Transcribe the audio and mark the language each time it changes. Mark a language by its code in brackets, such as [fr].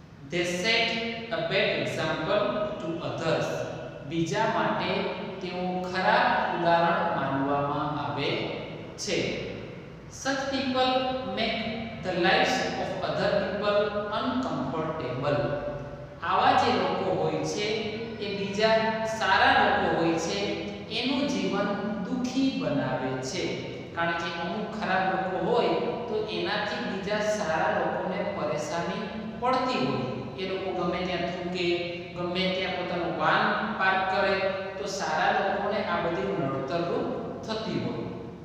[en] They set a bad example to others. [gu] બીજા માટે તેઓ ખરાબ ઉદાહરણ માનવામાં આવે છે. [en] Such people make the lives of other people uncomfortable. [gu] આવા જે લોકો હોય છે એ બીજા સારા લોકો હોય છે એનું જીવન દુખી બનાવે છે, કારણ કે અમુક ખરાબ લોકો હોય તો એનાથી બીજા સારા લોકોને પરેશાની પડતી હોય. એ લોકો ગમે ત્યાં થૂંકે, ગમે ત્યાં પોતાનું વાન પાર્ક કરે તો સારા લોકોને આ બધી નડતરરૂપ થતી હોય.